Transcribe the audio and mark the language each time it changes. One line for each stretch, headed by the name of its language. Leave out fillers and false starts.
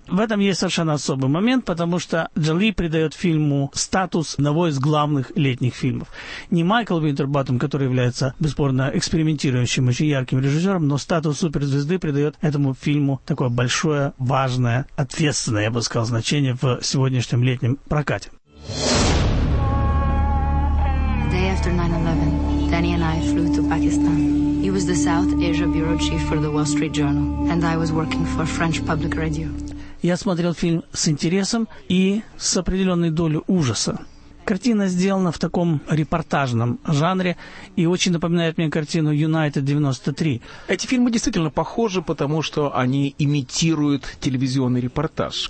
Russian: В этом есть совершенно особый момент, потому что Джоли придает фильму статус одного из главных летних фильмов. Не Майкл Уинтербаттом, который является бесспорно экспериментирующим, очень ярким режиссером, но статус суперзвезды придает этому фильму такое большое, важное, ответственное, я бы сказал, значение в сегодняшнем летнем прокате.
English: Day after 9/11, Danny and I flew to Pakistan. He was the South Asia bureau chief for the Wall Street Journal, and I was working for French public radio.
Russian: Я смотрел фильм с интересом и с определенной долей ужаса. Картина сделана в таком репортажном жанре и очень напоминает мне картину «United 93». Эти фильмы действительно похожи, потому что они имитируют телевизионный репортаж.